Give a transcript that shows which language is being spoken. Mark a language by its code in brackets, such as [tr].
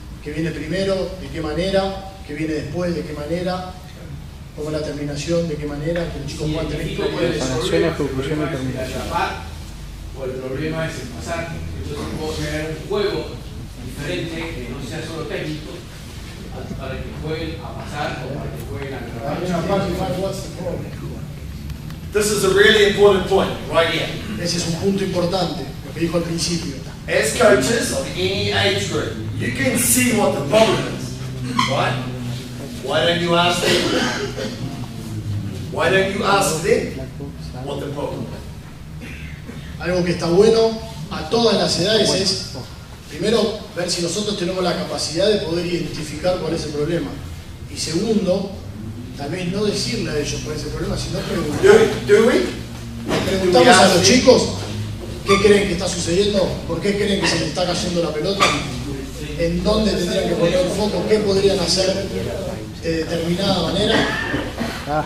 [es] ¿Qué viene primero? ¿De qué manera? ¿Qué viene después? ¿De qué manera? ¿Cómo es la terminación? ¿De qué manera? Que el chico pueda tener conclusión y terminación. O el problema es el pasar. El Entonces puedo tener un juego diferente, que no sea solo técnico, para que jueguen a pasar o para que jueguen a grabar. [en] This is a really important point, right here. [es] Ese es un punto importante, lo que dijo al principio. [en] As coaches of any age group, you can see what the problem is, right? Why don't you ask them? Why don't you ask them what the problem is? [es] Algo que está bueno a todas las edades es, primero, ver si nosotros tenemos la capacidad de poder identificar cuál es el problema. Y segundo, también no decirle a ellos cuál es el problema, sino preguntamos a los chicos qué creen que está sucediendo, por qué creen que se les está cayendo la pelota, en dónde tendrían que poner el foco, qué podrían hacer de determinada manera.